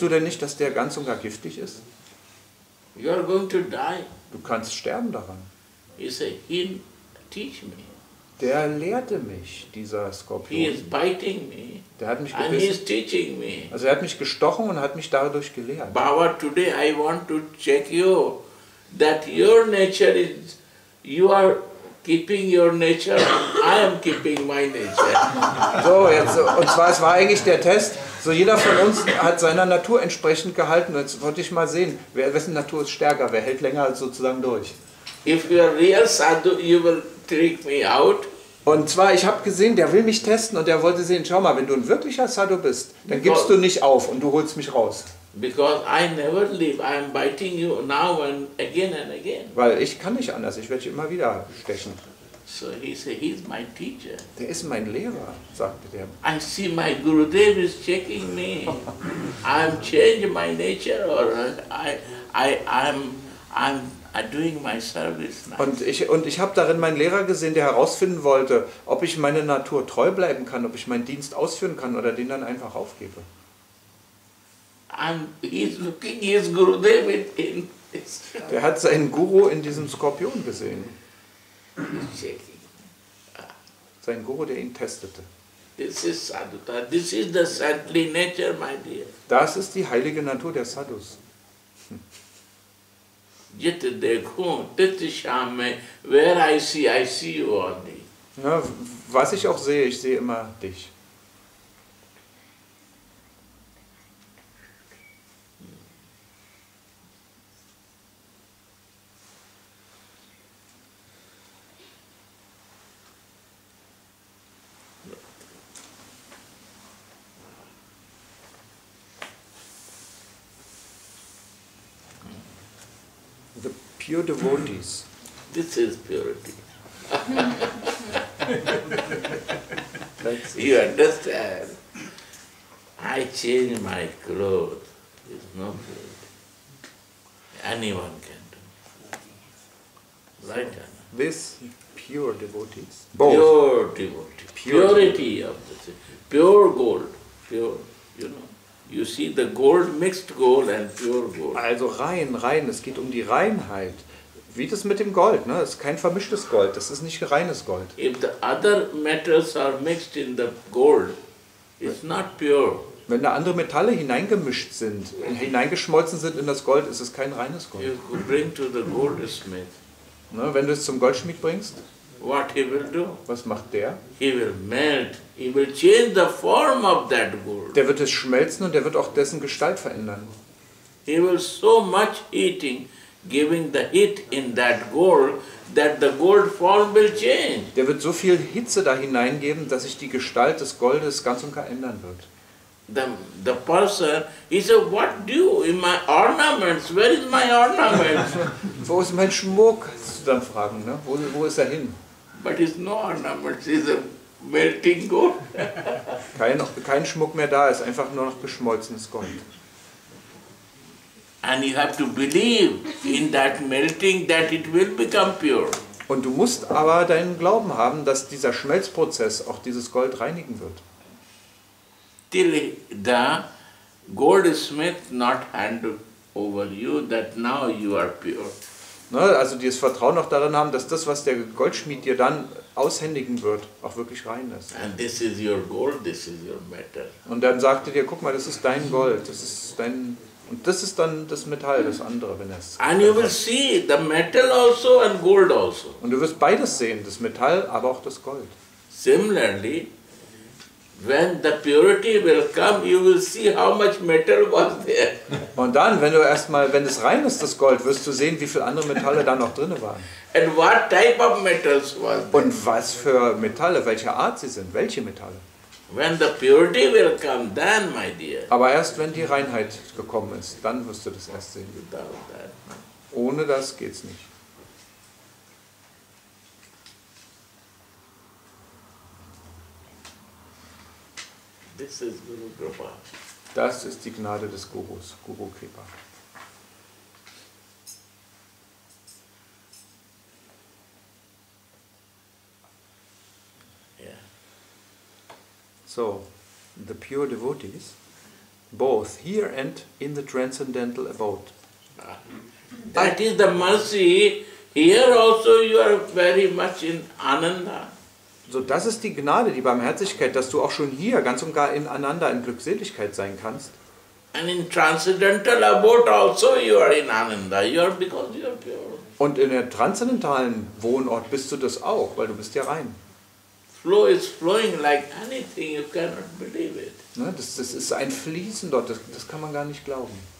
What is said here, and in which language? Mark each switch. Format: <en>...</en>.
<de>Du denn nicht, dass der ganz und gar giftig ist?</de> <en>You are going to die.</en> <de>Du kannst sterben daran.</de> <en>He said, he teach me.</en> <de>Der lehrte mich, dieser Skorpion.</de> <en>He is biting me.</en> <de>Der hat mich gebissen.</de> <en>And he is teaching me.</en> <de>Also er hat mich gestochen und hat mich dadurch gelehrt.</de> <en>Baba, today I want to check you that your nature is you are keeping your nature, I am keeping my nature.</en> <de>So, jetzt, und zwar, es war eigentlich der Test. So, jeder von uns hat seiner Natur entsprechend gehalten. Jetzt wollte ich mal sehen, wessen Natur ist stärker, wer hält länger sozusagen durch.</de> <en>If you are real sadhu, you will trick me out.</en> <de>Und zwar, ich habe gesehen, der will mich testen und der wollte sehen, schau mal, wenn du ein wirklicher sadhu bist, dann gibst du nicht auf und du holst mich raus.</de> <en>Because I never leave, I am biting you now and again and again.</en> <de>Weil ich kann nicht anders, ich werde dich immer wieder stechen.</de> <en>So he said, he's my teacher.</en> <de>Der ist mein Lehrer, sagte der.</de> <en>I see my Gurudev is checking me. I'm changing my nature or I'm doing my service now.</en> <de>Und ich habe darin meinen Lehrer gesehen, der herausfinden wollte, ob ich meiner Natur treu bleiben kann, ob ich meinen Dienst ausführen kann oder den dann einfach aufgebe.</de> <en>And he's looking his Gurudev in his.</en> <de>Der hat seinen Guru in diesem Skorpion gesehen. Sein Guru, der ihn testete.</de> <en>This is sadhuta. This is the saintly nature, my dear.</en> <de>Das ist die heilige Natur der Sadhus.</de> <hi>jit dekho tit sham mein,</hi> <en>where I see you only.</en> <de>Na, was ich auch sehe, ich sehe immer dich.</de> <en>The pure devotees. This is purity. You understand? I change my clothes. It's not purity. Anyone can do. Right? So this pure devotees. Both. Pure devotee. Purity of the thing. Pure gold. Pure, you know. You see the gold, mixed gold and pure gold.</en> <de>Also rein, rein, es geht um die Reinheit. Wie das mit dem Gold, ne? Es ist kein vermischtes Gold, das ist nicht reines Gold.</de> <en>If the other metals are mixed in the gold, it's not pure.</en> <de>Wenn da andere Metalle hineingemischt sind, hineingeschmolzen sind in das Gold, ist es kein reines Gold.</de> <en>You could bring to the goldsmith.</en> <de>Ne, wenn du es zum Goldschmied bringst,</de> <en>what he will do?</en> <de>Was macht der?</de> <en>He will melt. He will change the form of that gold.</en> <de>Der wird es schmelzen und der wird auch dessen Gestalt verändern.</de> <en>He will so much heating, giving the heat in that gold, that the gold form will change.</en> <de>Der wird so viel Hitze da hineingeben, dass sich die Gestalt des Goldes ganz und gar ändern wird.</de> <en>The person, he said, what do you in my ornaments? Where is my ornaments?</en> <de>Wo ist mein Schmuck? Dann fragen, ne? Wo ist er hin?</de> <en>But it's no ornaments, it's a melting gold.</en> <de>kein Schmuck mehr da, ist einfach nur noch geschmolzenes Gold.</de> <en>And you have to believe in that melting that it will become pure.</en> <de>Und du musst aber deinen Glauben haben, dass dieser Schmelzprozess auch dieses Gold reinigen wird.</de> <en>Till the goldsmith not hand over you that now you are pure.</en> <de>Ne, also die das Vertrauen auch darin haben, dass das, was der Goldschmied dir dann aushändigen wird, auch wirklich rein ist.</de> <en>And this is your gold, this is your metal.</en> <de>Und dann sagt er dir, guck mal, das ist dein Gold, das ist dein, und das ist dann das Metall, das andere, wenn es.</de> <en>And you will see the metal also and gold also.</en> <de>Und du wirst beides sehen, das Metall, aber auch das Gold.</de> <en>Similarly, when the purity will come, you will see how much metal was there.</en> <de>Und dann, wenn du erstmal, wenn es rein ist, das Gold, wirst du sehen, wie viel andere Metalle da noch drin waren.</de> <en>And what type of metals was there?</en> <de>Und was für Metalle, welche Art sie sind, welche Metalle?</de> <en>When the purity will come, then, my dear.</en> <de>Aber erst wenn die Reinheit gekommen ist, dann wirst du das erst sehen. Ohne das geht's nicht.</de> <en>This is Guru Kripa.</en> <de>Das ist die Gnade des Gurus, Guru Kripa.</de> <en>Yeah. So, the pure devotees, both here and in the transcendental abode. That is the mercy. Here also you are very much in Ananda.</en> <de>So, das ist die Gnade, die Barmherzigkeit, dass du auch schon hier ganz und gar ineinander in Glückseligkeit sein kannst.</de> <en>And in transcendental abode also you are in Ananda. You are because you are pure.</en> <de>Und in der transzendentalen Wohnort bist du das auch, weil du bist ja rein.</de> <en>Flow is flowing like anything, you cannot believe it.</en> <de>Ne, das ist ein Fließen dort, das kann man gar nicht glauben.</de>